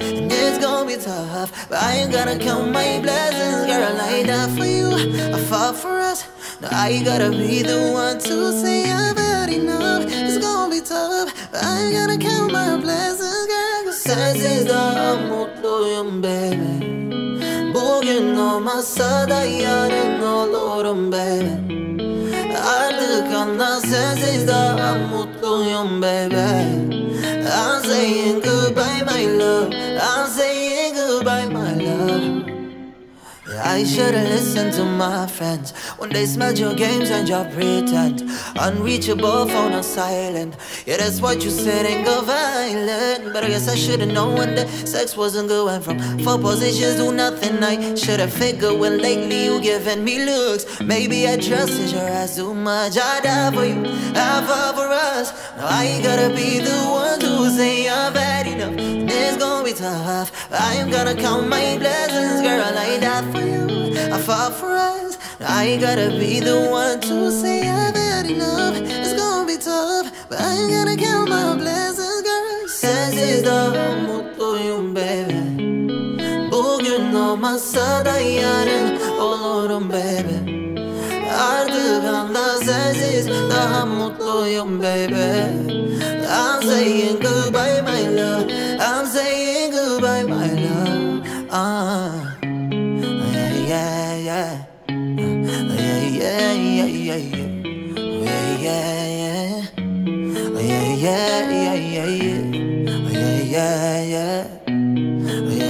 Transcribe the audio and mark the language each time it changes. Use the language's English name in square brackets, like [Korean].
[English] And it's gonna be tough, but I ain't gonna count my blessings, girl. I die for you, I fall for us. Now I gotta be the one to say I've had enough. It's gonna be tough, but I ain't gonna count my blessings, girl. Cause I say I'm [Turkish] mutluyum, [English] baby. [Turkish] Bugün olmazsa da yarın olurum, baby. Artık anla sensiz daha mutluyum, baby. [English] I'm saying goodbye, my love. I'm saying goodbye, my love. I should've listened to my friends when they smelled your games and your pretend. Unreachable, phone on silent. Yeah, that's what you said, ain't go violent. But I guess I should've known when the sex wasn't going from four positions to nothing. I should've figured when lately you giving me looks. Maybe I trusted your ass too much. I die for you, I fall for us. Now I gotta be the one to say I'm bad enough. It's gonna be tough, but I am gonna count my blessings, girl. I die for you, I fought for us. I gotta be the one to say I've had enough. It's gonna be tough, but I am gonna count my blessings, girl. Since it's the [Turkish] mutluyum, [English] baby. [Turkish] Bugün olmazsa da yarın olurum, baby. Artık anda sensiz daha mutluyum, baby. [English] I'm saying goodbye, my love. I'm saying goodbye, my love. Yeah, yeah, yeah. Yeah, yeah, yeah, yeah, yeah. Yeah, yeah, yeah. Yeah, yeah, yeah, yeah, yeah.